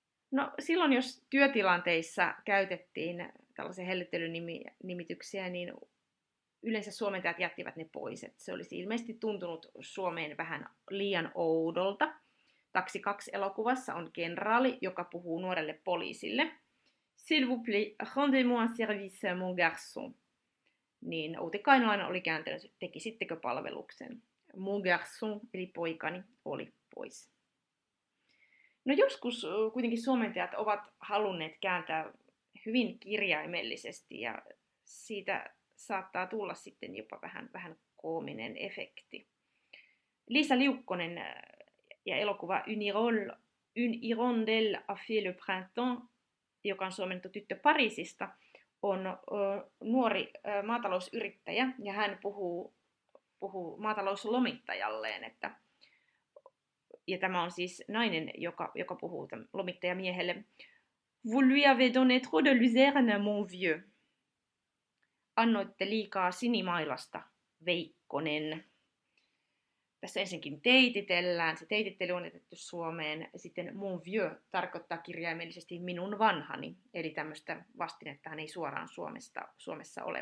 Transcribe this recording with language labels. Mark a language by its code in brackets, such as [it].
[fi] No silloin, jos työtilanteissa käytettiin tällaisia hellittelynimityksiä, niin yleensä suomentajat jättivät ne pois. Et se olisi ilmeisesti tuntunut Suomeen vähän liian oudolta. Taksi 2 elokuvassa on kenraali, joka puhuu nuorelle poliisille. [fr] S'il vous plaît, rendez-moi un service, mon garçon. [fi] Niin Outi Kainalainen oli kääntänyt, tekisittekö palveluksen. Mon garçon, eli poikani, oli pois. No joskus kuitenkin suomentajat ovat halunneet kääntää hyvin kirjaimellisesti ja siitä saattaa tulla sitten jopa vähän koominen efekti. Liisa Liukkonen ja elokuva Une hirondelle a fait le printemps, joka on suomennettu Tyttö Pariisista, on nuori maatalousyrittäjä ja hän puhuu maatalouslomittajalleen, että ja tämä on siis nainen, joka puhuu lomittajamiehelle. [fr] Vous lui avez donné trop de luzerne, mon vieux. [fi] Annoitte liikaa sinimailasta, Veikkonen. Tässä ensinkin teititellään. Se teitittely on jätetty Suomeen. Sitten mon vieux tarkoittaa kirjaimellisesti minun vanhani. Eli tämmöistä vastinettahan ei suoraan Suomessa ole.